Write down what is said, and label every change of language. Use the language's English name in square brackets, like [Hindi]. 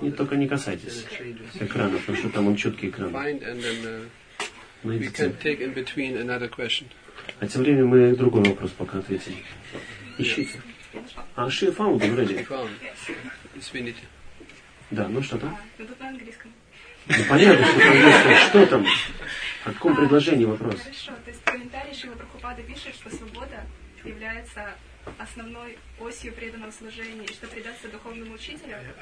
[Russian] Не только не касайтесь экрана, потому что там он четкий экран. [English] Find and then we can take in between another question. [Russian] А тем временем мы другой вопрос пока ответим. Ищите. А [English] she found already. She found. Yes. [Russian] Да, ну что там? Ну тут на английском. Ну понятно, что там английском. Что там? О каком предложении вопрос? Хорошо, то есть комментарий Шрилы Прабхупады пишет, что свобода является основной осью преданного служения, и что предаться духовному учителю...